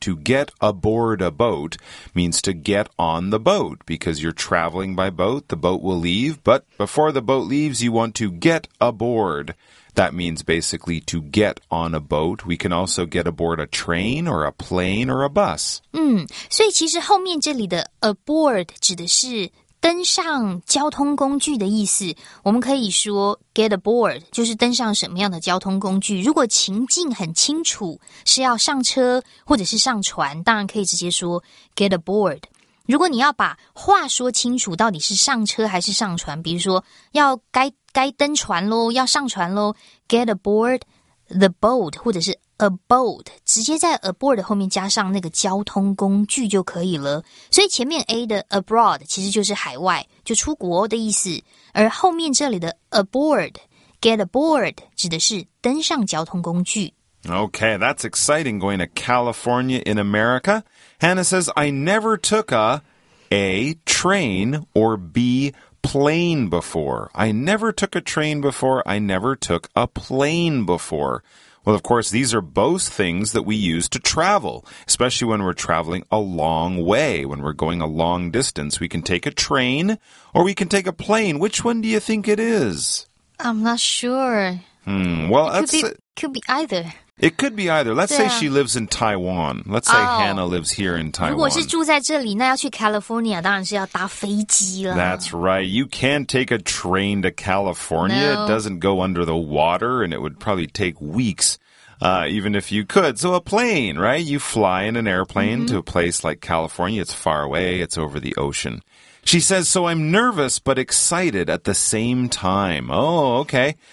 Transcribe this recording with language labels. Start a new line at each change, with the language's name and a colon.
English: To get aboard a boat means to get on the boat because you're traveling by boat. The boat will leave, but before the boat leaves, you want to get aboard. That means basically to get on a boat. We can also get aboard a train or a plane or a bus.
Chinese: 所以其实后面这里的 aboard 指的是登上交通工具的意思。我们可以说
English: get aboard,
Chinese: 就是登上什么样的交通工具。如果情境很清楚是要上车或者是上船，当然可以直接说 get aboard。如果你要把话说清楚到底是上车还是上船，比如说要该登船咯，要上船咯，
English: get aboard the boat
Chinese: 或者是
English: a boat,
Chinese: 直接在 aboard 后面加上那个交通工具就可以了。所以前面 A 的 abroad 其实就是海外，就出国的意思，而后面这里的 aboard,
English: get aboard
Chinese: 指的是登上交通工具。
English: Okay, that's exciting, going to California in America. Hannah says, I never took a train or B, plane before. I never took a train before. I never took a plane before. Well, of course, these are both things that we use to travel, especially when we're traveling a long way, when we're going a long distance. We can take a train or we can take a plane. Which one do you think it is? I'm not sure. Well, it could be either. It could be either. Let's say she lives in Taiwan. Let's say Hannah lives here in Taiwan.
Chinese: 如果是住在这里，那要去 California 当然是要搭飞机了。
English: That's right. You can't take a train to California. No. It doesn't go under the water, and it would probably take weeks, even if you could. So a plane, right? You fly in an airplane to a place like California. It's far away. It's over the ocean. She says, so I'm nervous but excited at the same time. Oh, okay.